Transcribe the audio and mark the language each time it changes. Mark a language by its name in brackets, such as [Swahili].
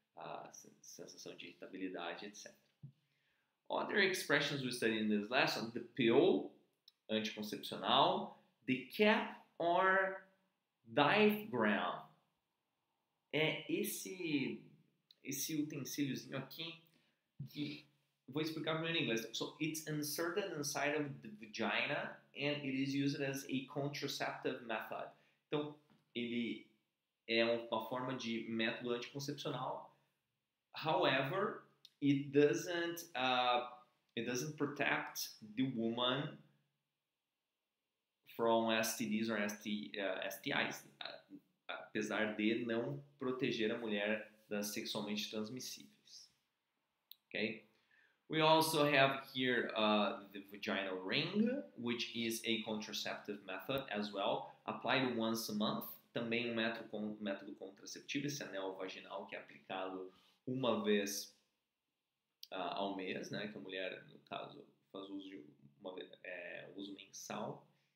[Portuguese] a sensação de irritabilidade, etc. [English] Other expressions we studied in this lesson, the pill, anticoncepcional, the cap or diaphragm. [Portuguese] É esse utensíliozinho aqui que vou explicar primeiro em inglês. [English] So, it's inserted inside of the vagina and it is used as a contraceptive method. [Portuguese] Então, ele é uma forma de método anticoncepcional. [English] However, it doesn't protect the woman from STDs or STIs. [Portuguese] Apesar de não proteger a mulher das sexualmente transmissíveis. [English] Okay? We also have here the vaginal ring, which is a contraceptive method as well, applied once a month. [Portuguese] Também método contraceptivo, esse anel vaginal que é aplicado uma vez ao mês, né? Que a mulher, no caso, faz uso de uma vez, uso mensal.